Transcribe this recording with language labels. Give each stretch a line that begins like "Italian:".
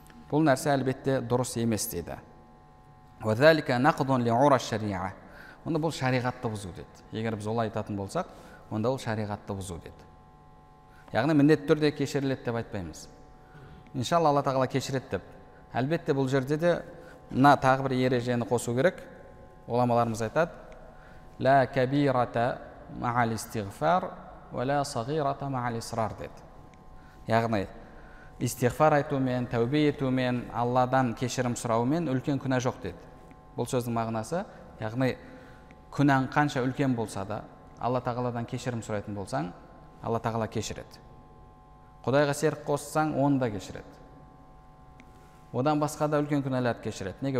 Kazakh: Бұл нәрсе әлбетте дұрыс емес дейді.
Arabic: وَذَلِكَ نَقْضٌ لِعُرَى الشَّرِيعَةِ
Kazakh: Онда бұл шариғатты бұзу деді. Егер біз олай айтатын болсақ, онда ол шариғатты бұзу деді. Яғни міндетті түрде кешіріледі деп айтпаймыз. Иншалла Алла Тағала кешіреді деп. Әлбетте бұл жерде де мына тағы бір ережені қосу керек. Ғұламаларымыз айтады.
Arabic: لا كبيرة مع الاستغفار ولا صغيرة مع الإصرار دي.
Kazakh: يعني استغفار айту мен, тәубе ету мен, Алладан кешірім сұрау мен үлкен күнә жоқ деді. Бұл сөздің мағынасы, яғни күнәң қанша үлкен болса да, Алла Тағаладан кешірім сұрайтын болсаң, Алла Тағала кешіреді. Құдайға серік қоссаң, оны да кешіреді. Одан басқа да үлкен күнәләрді кешіреді. Неге?